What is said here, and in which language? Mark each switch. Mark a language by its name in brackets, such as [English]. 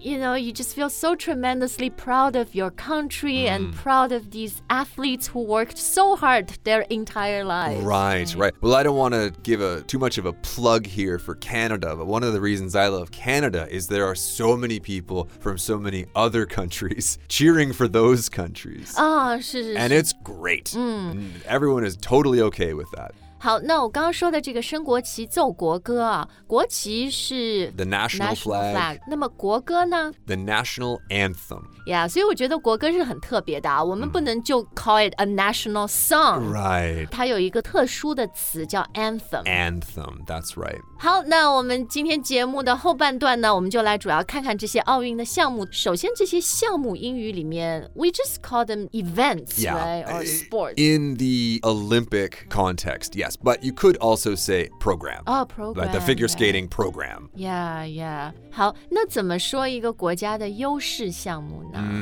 [English] You know, you just feel so tremendously proud of your country and proud of theseAthletes who worked so hard their entire lives. Right. Well, I don't want to give too much of a plug here for Canada, but one of the reasons I love Canada is there are so many people from so many other countries cheering for those countries. [Chinese] Oh, 是是是。 [English] And it's great. Everyone is totally okay with that. [Chinese] 好，那我刚刚说的这个升国旗奏国歌啊，国旗是 [English] the national flag. [Chinese] 那么国歌呢？ [English] The national anthem. [Chinese] Yeah, 所以我觉得国歌是很特别的啊，我们不能就 [English] call it a national song. Right. [Chinese] 它有一个特殊的词叫 anthem. [English] Anthem, that's right. [Chinese] 好，那我们今天节目的后半段呢，我们就来主要看看这些奥运的项目。首先这些项目英语里面 [English] we just call them events, right? Or sports. In the Olympic context,Yes, but you could also say program. Oh, program. Like the figure skating program. Yeah, yeah. [Chinese] 好，那怎么说一个国家的优势项目呢？